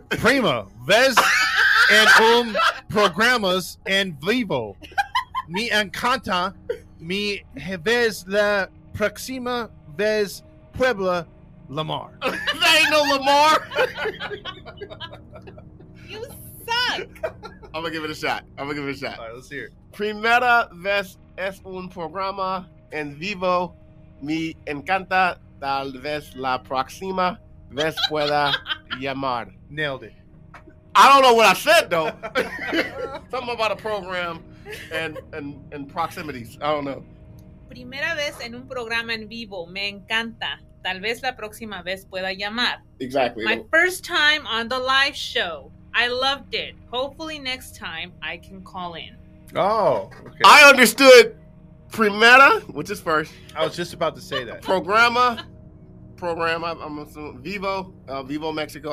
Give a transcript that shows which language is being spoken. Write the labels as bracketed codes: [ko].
[es] Prima Vez and programas and vivo. Me encanta, me ves la próxima vez Puebla, Lamar. [en] That ain't no Lamar. You suck. I'm going to give it a shot. All right, let's hear it. [es] Primera vez es un programa en vivo. Me encanta, tal vez la próxima vez pueda llamar. [en] Nailed it. I don't know what I said, though. Something about a program. And proximities. I don't know. [es] Primera vez en un programa en vivo. Me encanta. Tal vez la próxima vez pueda llamar. [en] Exactly. My first time on the live show. I loved it. Hopefully next time I can call in. Oh. Okay. I understood primera, which is first. I was just about to say that. Programa. Program. I'm assuming. Vivo. Vivo Mexico.